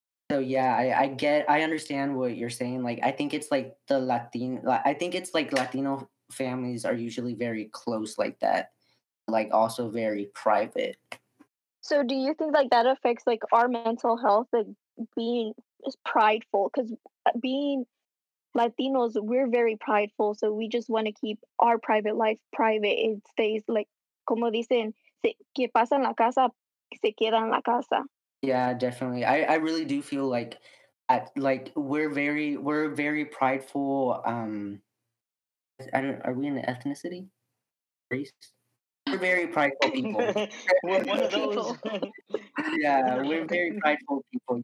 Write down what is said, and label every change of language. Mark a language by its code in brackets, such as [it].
[en] So, yeah, I understand what you're saying. Like, I think it's, like, Latino families are usually very close like that. Like, also very private. So, do you think, like, that affects, like, our mental health, like, being prideful? Because being Latinos, we're very prideful, so we just want to keep our private life private. It stays, like, [es] como dicen, que pasa en la casa, se queda en la casa. [en] Yeah, definitely. I really do feel like we're very prideful. Are we in the ethnicity? Race? We're very prideful people. We're very prideful people.